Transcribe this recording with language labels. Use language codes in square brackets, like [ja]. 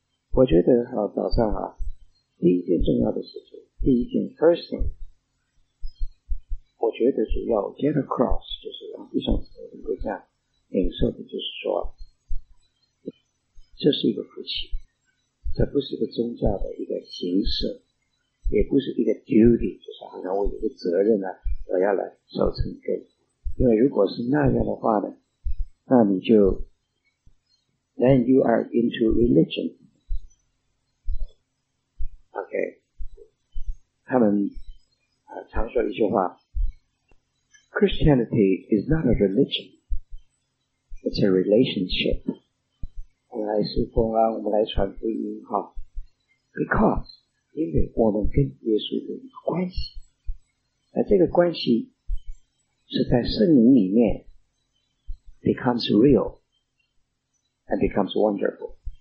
[zh] 我觉得好，早上啊，第一件重要的事情，第一件 [en] first thing， [zh] 我觉得主要 [en] get across， [zh] 就是让弟兄姊妹能够这样领受的，就是说这是一个福气，这不是一个宗教的一个形式，也不是一个 [en] duty， [zh] 就是好像我有个责任呢、啊，我要来守成根。因为如果是那样的话呢，那你就 [en] then you are into religion。 OK， [zh] 他们常说一句话 [en] ：Christianity is not a religion, it's a relationship。 [zh] 我们来侍奉啊，我们来传福音哈 ， [en] because [zh] 因为我们跟耶稣有一个关系，那这个关系是在圣灵里面 [en] becomes real and becomes wonderful。